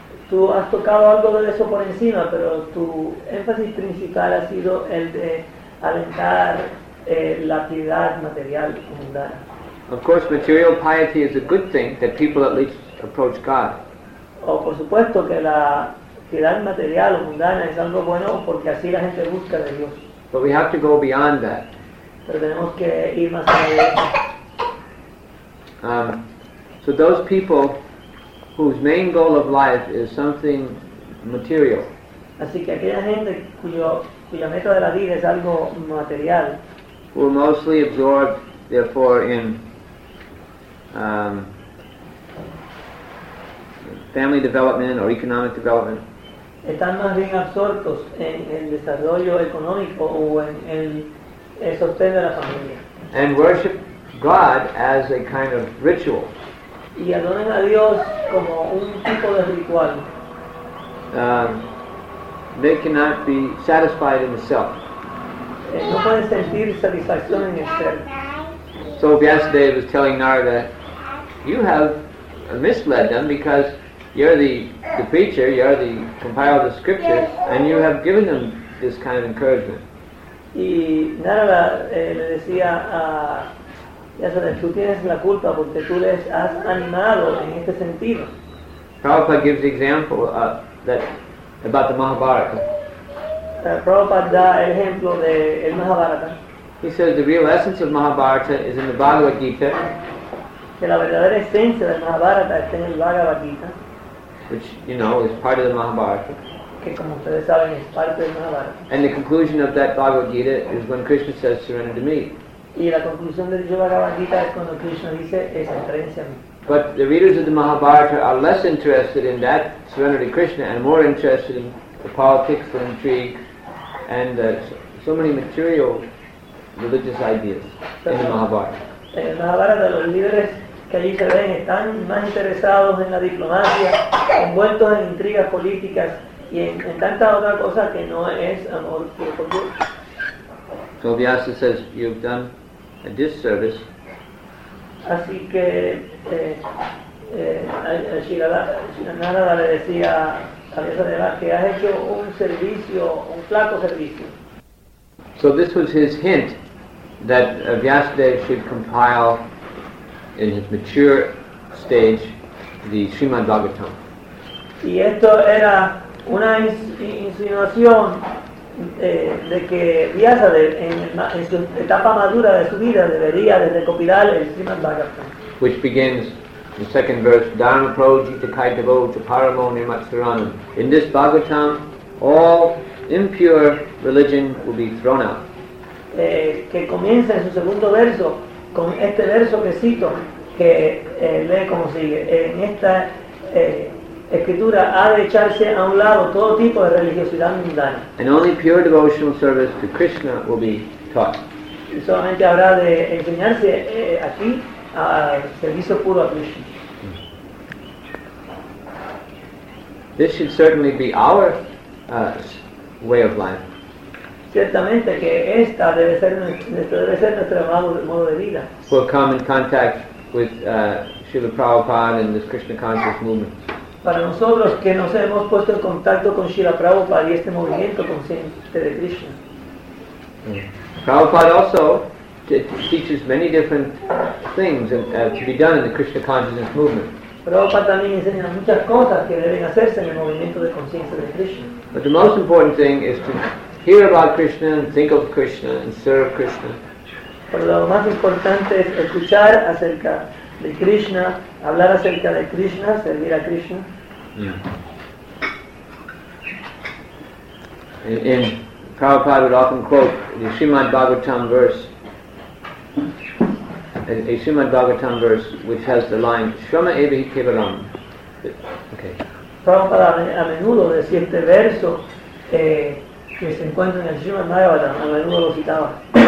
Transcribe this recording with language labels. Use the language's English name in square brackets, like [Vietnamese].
[Spanish] tú has tocado algo de eso por encima, pero tu énfasis principal ha sido el de alentar la piedad material mundana. [English] Of course, material piety is a good thing, that people at least approach God. [Spanish] O por supuesto que la piedad material o mundana es algo bueno porque así la gente busca de Dios. [English] But we have to go beyond that. [Spanish] Pero tenemos que ir más allá de eso. [English] So those people whose main goal of life is something material. [Spanish] Así que aquella gente cuya meta de la vida es algo material. [English] Will mostly absorb, therefore, in family development or economic development. [Spanish] Están más bien absortos en el desarrollo económico o en el sostén de la familia. [English] And worship God as a kind of ritual. [Spanish] Y adoran a Dios como un tipo de ritual. [English] They cannot be satisfied in the self. [Spanish] No pueden sentir satisfacción en el ser. [English] So Vyasadeva was telling Narada, you have misled them because you're the preacher, you're the compiler of the scriptures, and you have given them this kind of encouragement. [Spanish] Y Narada le decía a Vyasadeva, tú tienes la culpa porque tú les has animado en este sentido. [English] Prabhupada gives the example that about the Mahabharata. [Spanish] Prabhupada da el ejemplo de el Mahabharata. [English] He says the real essence of Mahabharata is in the Bhagavad Gita. [Spanish] Que la verdadera esencia del Mahabharata está en el Bhagavad Gita. [English] Which, you know, is part of the Mahabharata. [Spanish] Que como ustedes saben es parte del Mahabharata. [English] And the conclusion of that Bhagavad Gita is when Krishna says, surrender to me. [Spanish] Y la conclusión de dicho Bhagavad Gita es cuando Krishna dice, es entréguense a mí. [English] But the readers of the Mahabharata are less interested in that surrender to Krishna and more interested in the politics, the intrigue, and so many material religious ideas in the Mahabharata. [Spanish] En el Mahabharata, los líderes que allí se ven están más interesados en la diplomacia, envueltos en intrigas políticas y en tanta otra cosa que no es amor por Dios. [English] So Vyasa says, you've done a disservice. [Spanish] Así que Shilanarada le decía a Vyasadeva que has hecho un servicio, un flaco servicio. [English] So this was his hint that Vyasadeva should compile in his mature stage the Srimad Bhagavatam. [Spanish] Y esto era una insinuación de que Vyasadeva en su etapa madura de su vida debería de recopilar el Srimad Bhagavatam. [English] Which begins the second verse, Dharma Projita Kai Devota Paramo Nirmatsaranam. In this Bhagavatam, all impure religion will be thrown out. [Spanish] Que comienza en su segundo verso con este verso que cito que lee como sigue: en esta escritura ha de echarse a un lado todo tipo de religiosidad mundana. [English] And only pure devotional service to Krishna will be taught. [Spanish] Y solamente habrá de enseñarse aquí a servicio puro a Krishna. [English] This should certainly be our way of life. [Spanish] Ciertamente que esta debe ser nuestro modo de vida. [English] We'll come in contact with Srila Prabhupada and this Krishna conscious movement. [Spanish] Para nosotros que nos hemos puesto en contacto con Srila Prabhupada y este movimiento consciente de Krishna. [English] Prabhupada also teaches many different things to be done in the Krishna consciousness movement. [Spanish] Prabhupada también enseña muchas cosas que deben hacerse en el movimiento de conciencia de Krishna. [English] But the most important thing is to hear about Krishna and think of Krishna and serve Krishna. [Spanish] Pero lo más importante es escuchar acerca de Krishna, hablar acerca de Krishna, servir a Krishna. [English] Yeah. And Prabhupada would often quote the Srimad Bhagavatam verse, a Srimad Bhagavatam verse which has the line, Shrama Evahi Kevalam. Okay. [Spanish] Prabhupada a menudo decía este verso, que se encuentra en el Srimad Bhagavatam, a menudo lo citaba.